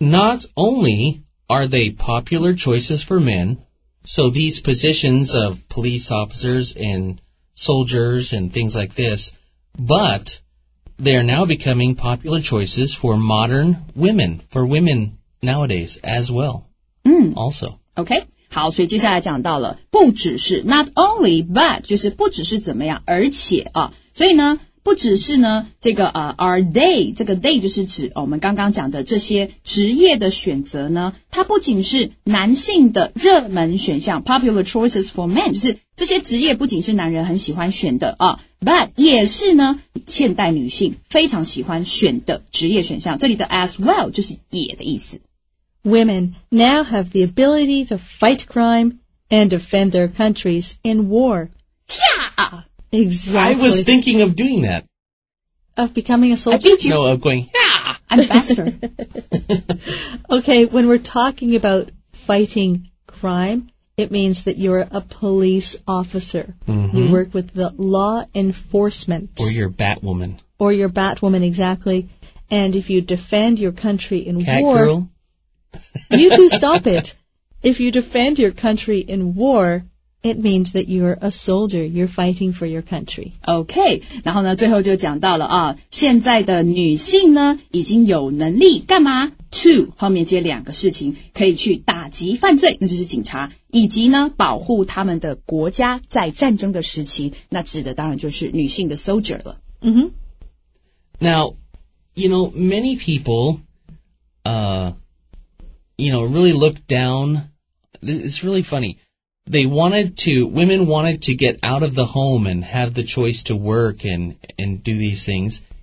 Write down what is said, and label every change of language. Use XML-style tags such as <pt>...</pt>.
<en>Not only are they popular choices for men,So these positions of police officers and soldiers and things like this, but they are now becoming popular choices for modern women, for women nowadays as well, also.</en> <zh>Okay, 好所以接下来讲到了不只是 not only, but 就是不只是怎么样而且啊所以呢不不只是呢这个 are they, 这个 they 就是指我们刚刚讲的这些职业的选择呢，它不仅是男性的热门选项 popular choices for men, 就是这些职业不仅是男人很喜欢选的啊、but 也是呢现代女性非常喜欢选的职业选项，这里的 as well 就是也的意思。</zh> <en>Women now have the ability to fight crime and defend their countries in war. Yeah! Exactly. I was thinking of doing that. Of becoming a soldier? I beat you. No, of going, yeah! I'm faster. Okay, when we're talking about fighting crime, it means that you're a police officer. Mm-hmm. You work with the law enforcement. Or you're Batwoman. Or you're Batwoman, exactly. And if you defend your country in Catgirl. War... You two stop it. If you defend your country in war, it means that you're a soldier. You're fighting for your country. Okay.</en> <zh>然后呢最后就讲到了啊现在的女性呢已经有能力干嘛 ?To, 后面接两个事情可以去打击犯罪那就是警察以及呢保护他们的国家在战争的时期那指的当然就是女性的 soldier 了。 Mm-hmm.</zh> <en>Now, you know, many people, you know, really look down. It's really funny. Women wanted to get out of the home and have the choice to work and do these things.</en>